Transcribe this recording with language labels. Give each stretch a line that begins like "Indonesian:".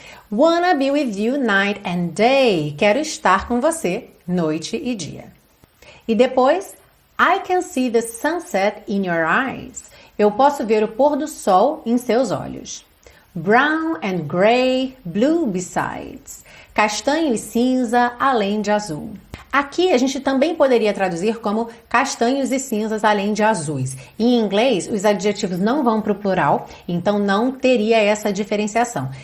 English: Wanna be with you night and day.
Portuguese: Quero estar com você noite e dia. E depois,
English: I can see the sunset in your eyes.
Portuguese: Eu posso ver o pôr do sol em seus olhos.
English: Brown and gray, blue besides.
Portuguese: Castanho e cinza, além de azul. Aqui a gente também poderia traduzir como castanhos e cinzas além de azuis. Em inglês, os adjetivos não vão para o plural, então não teria essa diferenciação.